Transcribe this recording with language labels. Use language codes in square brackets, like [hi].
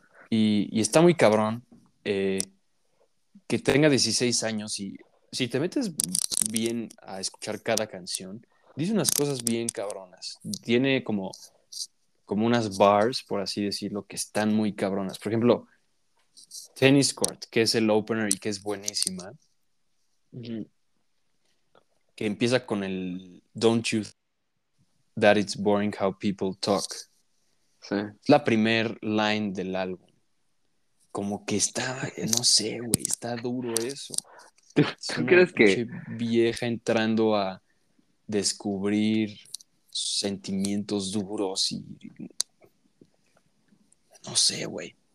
[es] Y está muy cabrón que tenga 16 años y si te metes bien a escuchar cada canción, dice unas cosas bien cabronas. Tiene como unas bars, por así decirlo, que están muy cabronas. Por ejemplo, Tennis Court, que es el opener y que es buenísima. Que empieza con el [en] Don't you that it's boring how people talk. [es] Sí. La primer line del álbum. Como que está, no sé, güey, está duro eso. ¿Tú crees que? Una vieja entrando a descubrir sentimientos duros y no sé, güey.